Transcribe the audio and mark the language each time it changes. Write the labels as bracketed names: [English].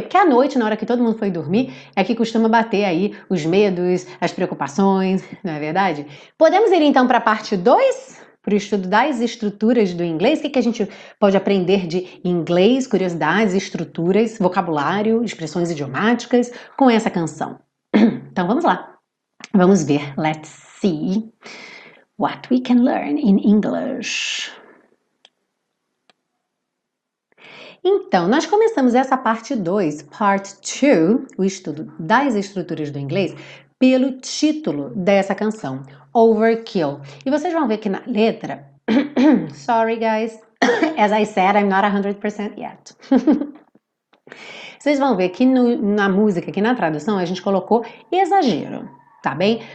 [Portuguese] Porque à noite, na hora que todo mundo foi dormir, é que costuma bater aí os medos, as preocupações, não é verdade? Podemos ir então para a parte 2? Para o estudo das estruturas do inglês, o que a gente pode aprender de inglês, curiosidades, estruturas, vocabulário, expressões idiomáticas com essa canção. Então vamos lá. Vamos ver. [English] Let's see what we can learn in English. [Portuguese] Então, nós começamos essa parte 2, part 2, o estudo das estruturas do inglês, pelo título dessa canção. Overkill. E vocês vão ver que na letra. [English] Sorry, guys. As I said, I'm not 100% yet. [Portuguese] Vocês vão ver que na música, aqui na tradução, a gente colocou exagero, tá bem?